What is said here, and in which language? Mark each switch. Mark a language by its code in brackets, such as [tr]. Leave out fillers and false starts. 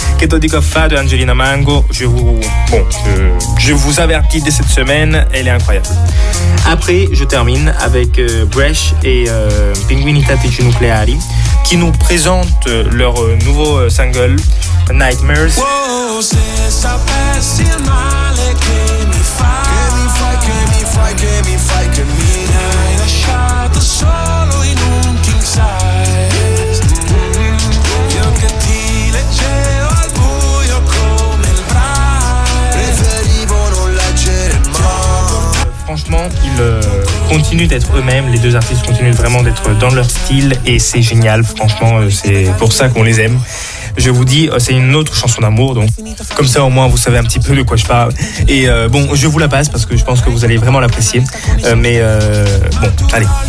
[fr] Keto di Coffa de Angelina Mango, je vous avertis dès cette semaine, elle est incroyable. Après, je termine avec Bresh et Pinguini Tattici Nucleari, qui nous présentent leur nouveau single, Nightmares. [it] Wow, se sapessi il male che mi fai, che mi fai, che mi fai, che mi fai, che mi hai lasciato solo in un king size. Io che ti leggevo al buio come il braille, preferivo non leggere mai. [fr] Franchement, continuent d'être eux-mêmes, les deux artistes continuent vraiment d'être dans leur style et c'est génial, franchement, c'est pour ça qu'on les aime. Je vous dis, c'est une autre chanson d'amour, donc comme ça au moins vous savez un petit peu de quoi je parle. Et bon, je vous la passe parce que je pense que vous allez vraiment l'apprécier. Bon, allez.